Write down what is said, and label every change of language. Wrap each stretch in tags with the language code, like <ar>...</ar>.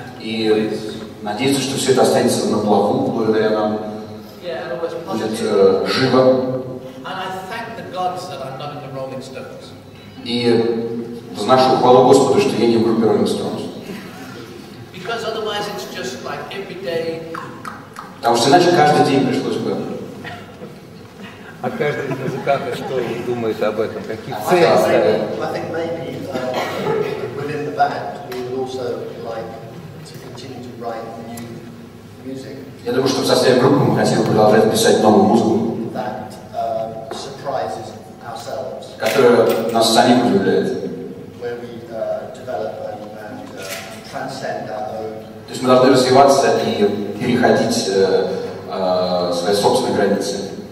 <ru>И надеяться, что все это останется на плаву, благодаря нам.</ru> <en>Yeah, and always positive.</en> <ru>Живо.</ru> <en>And I thank the gods that I'm not in the Rolling Stones.</en> <ru>И вознашу хвалу Господу, что я не в группе Rolling Stones.</ru> <en>Because otherwise it's just like every day.</en> <ru>Потому что иначе каждый день пришлось бы. А каждый из музыкантов что думает об этом? Какие цели ставят?</ru> <en>I think maybe within the band we would also like to continue to write new music.</en> <ru>Я думаю, что в составе группы мы хотели бы продолжать писать новую музыку.</ru> <en>That surprises ourselves.</en> <ru>Которая нас самим удивляет.</ru> <en>Where we develop and transcend our own.</en> <ru>То есть мы должны развиваться и переходить свои собственные границы.</ru>